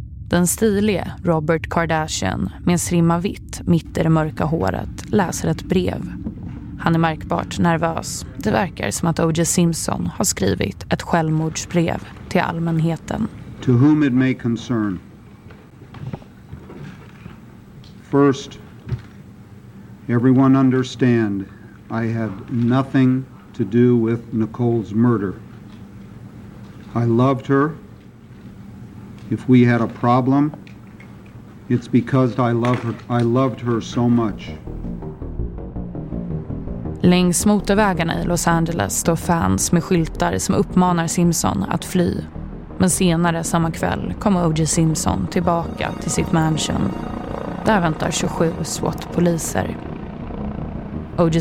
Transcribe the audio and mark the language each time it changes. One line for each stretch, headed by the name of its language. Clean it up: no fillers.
Swedish: Den stilige Robert Kardashian med en strimma vitt mitt i det mörka håret läser ett brev. Han är märkbart nervös. Det verkar som att O.J. Simpson har skrivit ett självmordsbrev till allmänheten.
English: To whom it may concern. First, everyone understand I had nothing to do with Nicole's murder. I loved her. If we had a problem, it's because I loved her so much.
Swedish: Längs motorvägarna i Los Angeles står fans med skyltar som uppmanar Simpson att fly. Men senare samma kväll kommer O.J. Simpson tillbaka till sitt mansion. Där väntar 27 SWAT-poliser. O.J.